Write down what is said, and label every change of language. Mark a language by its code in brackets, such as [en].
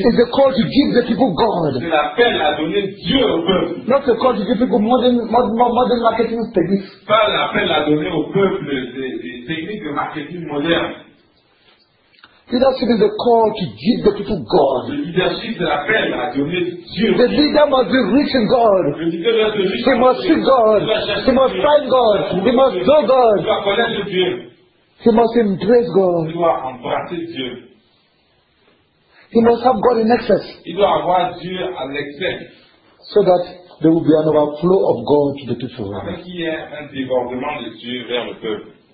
[en] is a call to give the people God. [fr] C'est l'appel à donner Dieu au peuple. [en] Not a call to give people modern marketing techniques. [fr] Pas l'appel à donner au peuple des techniques de marketing modernes. [en] Leadership is a call to give the people God. [fr] Le leadership c'est l'appel à donner Dieu. [en] The leader must be rich in God. [fr] Le leader doit être riche. [en] He must seek God. He must find God. He must know God. [fr] Il doit connaître Dieu. [en] He must embrace God. [fr] Il doit embrasser Dieu. [en] He must have God in excess. [fr] Il doit avoir Dieu à l'excès. [en] So that there will be an overflow of God to the people. [fr] Afin qu'il y ait un débordement de Dieu vers le peuple.